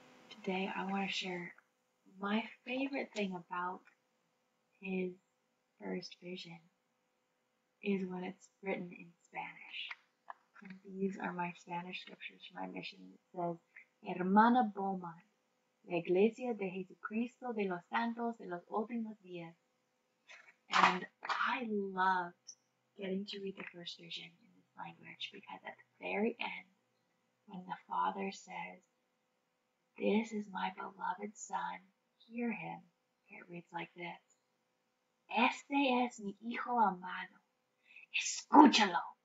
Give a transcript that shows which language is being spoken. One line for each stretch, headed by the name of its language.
English: Today, I want to share my favorite thing about his first vision is when it's written in Spanish. And these are my Spanish scriptures for my mission. It says, Hermana Beaumont, La Iglesia de Jesucristo de los Santos de los Últimos Días. And I loved getting to read the first vision in this language because at the very end, when the Father says, This is my beloved son. Hear him. It reads like this.
Spanish: Este es mi hijo amado. Escúchalo.